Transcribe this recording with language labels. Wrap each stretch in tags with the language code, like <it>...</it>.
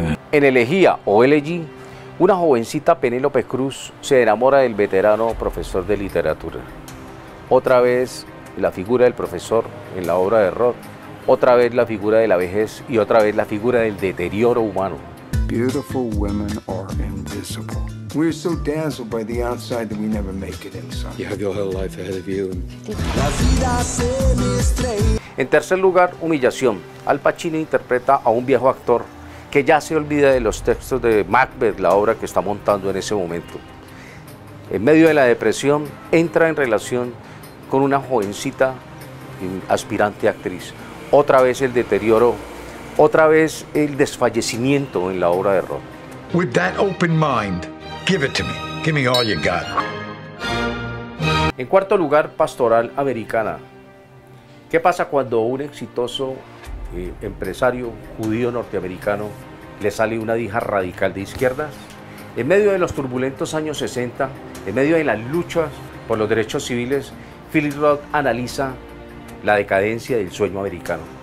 <es>En Elegía o Elegí, una jovencita Penélope Cruz se enamora del veterano profesor de literatura. Otra vez la figura del profesor en la obra de Roth, otra vez la figura de la vejez y otra vez la figura del deterioro humano.</es> <en>Beautiful women are invisible. We're so dazzled by the outside that we never make it inside. You have your whole life ahead of you.</en> <es>En tercer lugar, Humillación. Al Pacino interpreta a un viejo actor que ya se olvida de los textos de Macbeth, la obra que está montando en ese momento. En medio de la depresión, entra en relación con una jovencita aspirante actriz. Otra vez el deterioro, otra vez el desfallecimiento en la obra de Roth.</es> <en>With that open mind, give it to me. Give me all you got.</en> <es>En cuarto lugar, Pastoral Americana. ¿Qué pasa cuando un exitoso empresario judío norteamericano le sale una hija radical de izquierdas? En medio de los turbulentos años 60, en medio de las luchas por los derechos civiles, Philip Roth analiza la decadencia del sueño americano.</es>